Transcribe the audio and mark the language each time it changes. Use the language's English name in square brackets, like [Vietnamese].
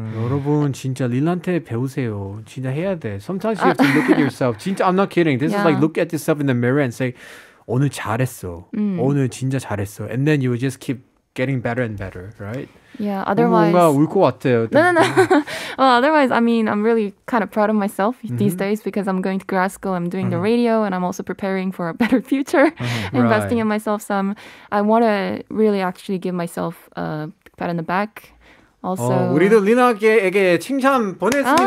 [Korean] 여러분, 진짜 릴라한테 배우세요. 진짜 해야 돼. [English] Sometimes you have to look at yourself. [Korean] 진짜, [English] I'm not kidding. This is like, look at yourself in the mirror and say, [Korean] 오늘 잘했어. 오늘 진짜 잘했어. [English] And then you will just keep getting better and better, right? Yeah, otherwise... [Korean] 뭔가 울 것 같아요. [English] No. Well, otherwise, I mean, I'm really kind of proud of myself these days because I'm going to grad school, I'm doing the radio, and I'm also preparing for a better future, investing in myself. So I want to really actually give myself a pat on the back. Also, [Korean] 우리도 리나에게 칭찬 보냈습니다.